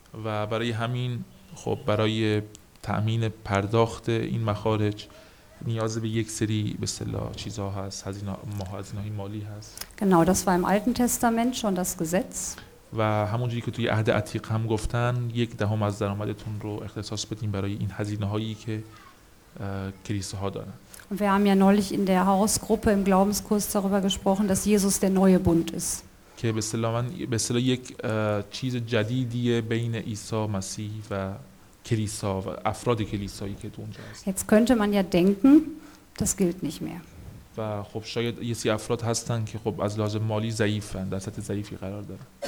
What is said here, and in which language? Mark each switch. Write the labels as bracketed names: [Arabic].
[Persian] و برای همین خب برای تأمین پرداخت این مخارج نیاز به یک سری به اصطلاح چیزا هست، هزینه‌های مالی هست. [German] Genau, das war im Alten Testament schon das Gesetz. [Persian] و همونجوری که توی عهد عتیق هم گفتن یک دهم از درآمدتون رو اختصاص بدین برای این هزینه‌هایی که کلیساها دارن. [German] Und wir haben ja neulich in der Hausgruppe im Glaubenskurs darüber gesprochen, dass Jesus der neue Bund ist. [Persian] که به اصطلاح یک چیز جدیدیه بین عیسی مسیح و کلیسا و افراد کلیسایی که اونجا هست. [German] Jetzt könnte man ja denken, das gilt nicht mehr. [Persian] و خب شاید یه سری افراد هستن که خب از لحاظ مالی ضعیفن، در سطح ضعیفی قرار دارن.